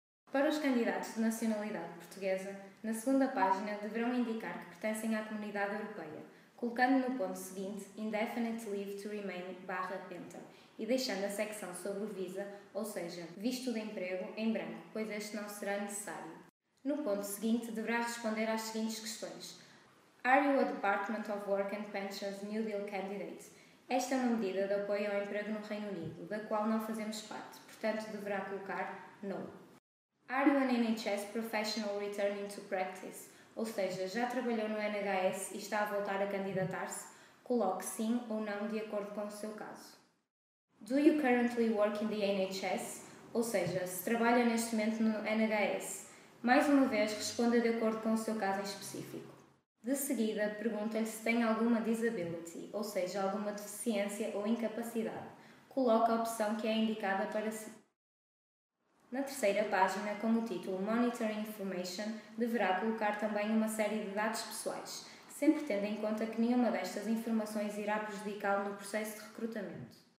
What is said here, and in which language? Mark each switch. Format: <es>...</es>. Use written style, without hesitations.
<pt>Para os candidatos de nacionalidade portuguesa, na segunda página deverão indicar que pertencem à comunidade europeia, colocando no ponto seguinte Indefinite Leave to Remain /Enter e deixando a secção sobre o Visa, ou seja, Visto de Emprego, em branco, pois este não será necessário. No ponto seguinte, deverá responder às seguintes questões.</pt> <en>Are you a Department of Work and Pensions New Deal Candidate?</en> <pt>Esta é uma medida de apoio ao emprego no Reino Unido, da qual não fazemos parte, portanto deverá colocar No.</pt> <en>Are you an NHS Professional Returning to Practice?</en> <pt>Ou seja, já trabalhou no NHS e está a voltar a candidatar-se? Coloque sim ou não de acordo com o seu caso.</pt> <en>Do you currently work in the NHS?</en> <pt>Ou seja, se trabalha neste momento no NHS? Mais uma vez, responda de acordo com o seu caso em específico. De seguida, pergunta-lhe se tem alguma disability, ou seja, alguma deficiência ou incapacidade. Coloque a opção que é indicada para si. Na terceira página, com o título Monitoring Information, deverá colocar também uma série de dados pessoais, sempre tendo em conta que nenhuma destas informações irá prejudicá-lo no processo de recrutamento.</pt>